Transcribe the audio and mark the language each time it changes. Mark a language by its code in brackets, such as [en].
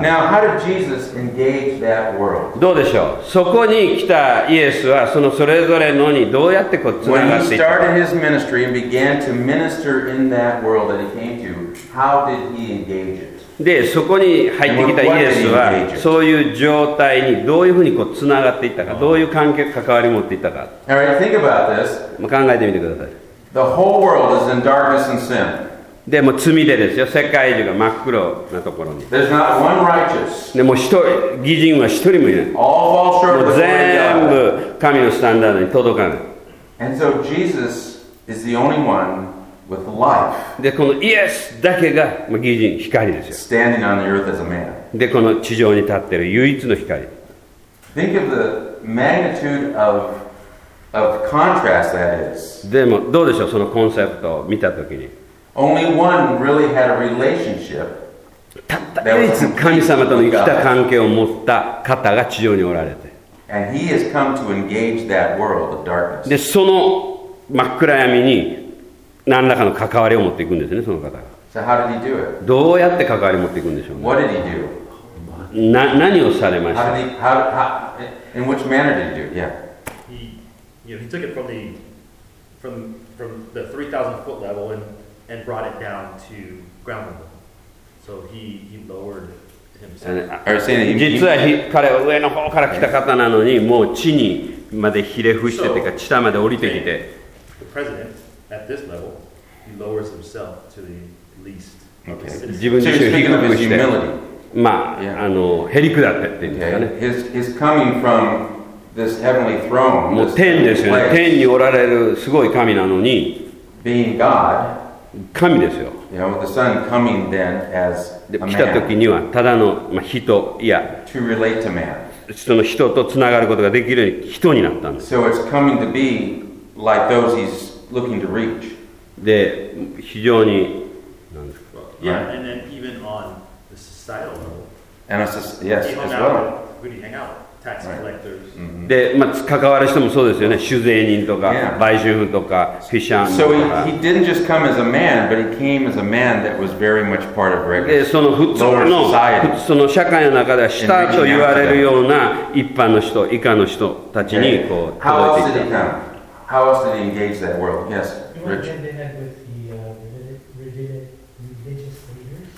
[en] Now, how did Jesus engage that world? [ja] どうでしょう。そこに来たイエスはそのそれぞれのにどうやってこうつながっていったか。 [en] When he started his ministry and began to minister in that world that he came to, how did he engage it? [ja] で、そこに入ってきたイエスはそういう状態にどういうふうにこうつながっていったか、どういう関係関わり持っていったか。 [en] All right, think about this. [ja] 考えてみてください。 [en] The whole world is in darkness and sin. [ja] でも罪でですよ、世界中が真っ黒なところに。 [en] There's not one righteous. [ja] でも一人、義人は一人もいない。 [en] All fall short of the glory of God. [ja] 全部神のスタンダードに届かない。 [en] And so Jesus is the only one with life. [ja] で、このイエスだけが、まあ、義人、光ですよ。 [en] Standing on the earth as a man. [ja] で、この地上に立ってる唯一の光。 [en] Think of the magnitude of contrast that is. [ja] でも、どうでしょう、そのコンセプトを見たときに。 [en] Only one really had a relationship. [ja] たった唯一神様との生きた関係を持った方が地上におられて。 [en] And he has come to engage that world of darkness. [ja] で、その真っ暗闇に何らかの関わりを持っていくんですね、その方が。 [en] So how did he do it? [ja] どうやって関わりを持っていくんでしょうね。 [en] What did he do? [ja] 何をされました。 [en] In which manner did he do it? Yeah. He took it from the 3,000 foot level and brought it down to ground level. So he lowered himself. [ja] 実は彼は上の方から来た方なのに、もう地にまでひれ伏してて、か地下まで降りてきて。 [en] The president, at this level, he lowers himself to the least. [ja] 自分自身をひれ伏して、まあ、あの、へりくだってっていうんですかね。 [en] He's coming from this heavenly throne. [ja] もう天ですよね。天におられるすごい神なのに。 [en] Being God, [ja] 神ですよ。 [en] You know, the son coming then as a man. [ja] 来た時にはただの人、いや、 [en] to relate to man. [ja] その人とつながることができる人になったんです。 [en] So it's coming to be like those he's looking to reach. [ja] で、非常に、なんですか。 [en] Yeah, and then even on the societal level. And it's just, yes, he as well. Who do you hang out with? Tax collectors. Right. [ja] Mm-hmm. で、まあ、関わる人もそうですよね。酒税人とか、 [en] yeah. [ja] 売春婦とか、フィッシャーマンとか。 [en] So he didn't just come as a man, but he came as a man that was very much part of regular society. [ja] その普通の、その社会の中では下と言われるような一般の人、以下の人たちにこう届いていった。 [en] How else did he come? How else did he engage that world? Yes, Rich. He went hand in hand with the religious leaders.